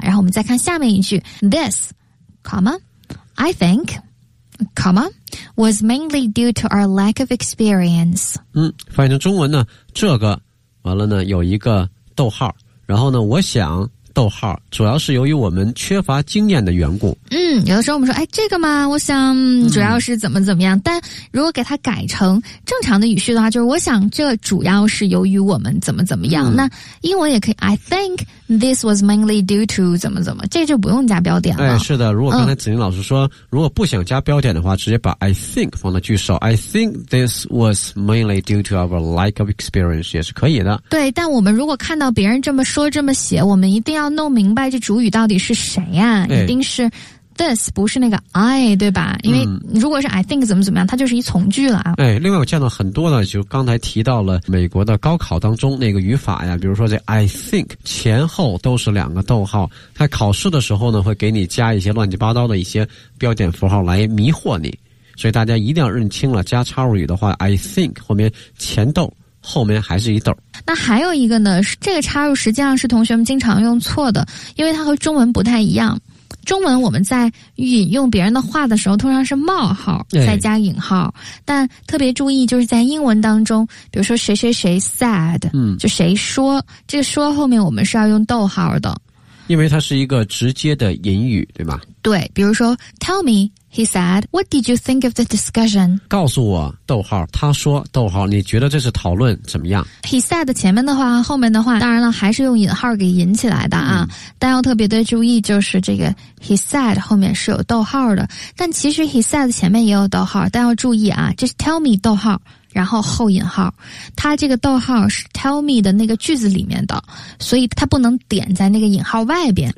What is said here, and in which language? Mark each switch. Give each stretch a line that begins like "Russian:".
Chinese: 然后我们再看下面一句
English: This, comma, I think, comma, was mainly due to our lack of experience.
Chinese: 翻译成中文呢，这个完了呢有一个逗号，然后呢我想逗号，主要是由于我们缺乏经验的缘故。有的时候我们说，哎，这个嘛，我想主要是怎么怎么样。但如果给它改成正常的语序的话，就是我想这主要是由于我们怎么怎么样。那英文也可以 ，
English: I think this was mainly due to
Chinese: 怎么怎么，这就不用加标点了。哎，是的，如果刚才子宁老师说，如果不想加标点的话，直接把 I think 放到句首。
English: I think this was mainly due to our lack of experience
Chinese: 也是可以的。对，但我们如果看到别人这么说这么写，我们一定要弄明白这主语到底是谁呀、啊？一定是。This 不是那个 I 对吧，因为如果是 I think 怎么怎么样，它就是一从句了、哎、另外我见到很多的，就刚才提到了美国的高考当中那个语法呀，比如说这 I think 前后都是两个逗号，在考试的时候呢会给你加一些乱七八糟的一些标点符号来迷惑你，所以大家一定要认清了，加插入语的话 I think 后面前逗后面还是一逗。那还有一个呢，这个插入实际上是同学们经常用错的，因为它和中文不太一样，中文我们在引用别人的话的时候通常是冒号再加引号、哎、但特别注意就是在英文当中，比如说谁谁谁 said、就谁说，这个说后面我们是要用逗号的，因为它是一个直接的引语对吗？对，比如说
English: Tell me he said what did you think of the discussion,
Chinese: 告诉我逗号他说逗号你觉得这是讨论怎么样。 He said 前面的话后面的话当然了还是用引号给引起来的啊、但要特别的注意，就是这个 he said 后面是有逗号的，但其实 he said 前面也有逗号，但要注意啊，这是 tell me 逗号然后后引号，它这个逗号是 tell me 的那个句子里面的，所以它不能点在那个引号外边。